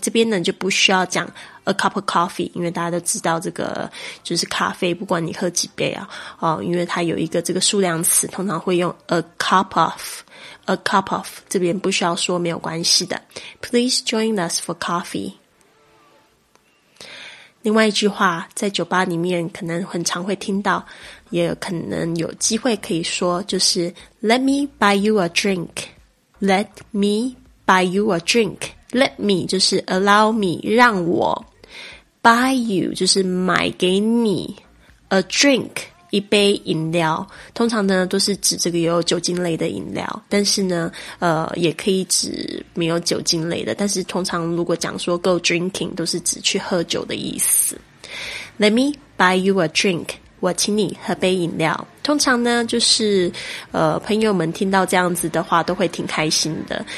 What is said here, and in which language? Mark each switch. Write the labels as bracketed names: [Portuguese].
[Chinese] 这边呢就不需要讲 [English] a cup of coffee, [Chinese] 因为大家都知道这个就是咖啡，不管你喝几杯啊、哦、因为它有一个这个数量词，通常会用 a cup of,A cup of， 这边不需要说，没有关系的。 [English] Please join us for coffee。 [Chinese] 另外一句话，在酒吧里面可能很常会听到，也可能有机会可以说，就是 [English] Let me buy you a drink。 Let me buy you a drink。 Let me 就是 allow me， [Chinese] 让我 [English] buy you [Chinese] 就是买给你 [English] a drink。 [Chinese] 一杯饮料，通常呢都是指这个有酒精类的饮料，但是呢也可以指没有酒精类的，但是通常如果讲说 go drinking 都是指去喝酒的意思。 [English] Let me buy you a drink， [Chinese] 我请你喝杯饮料。通常呢就是朋友们听到这样子的话都会挺开心的。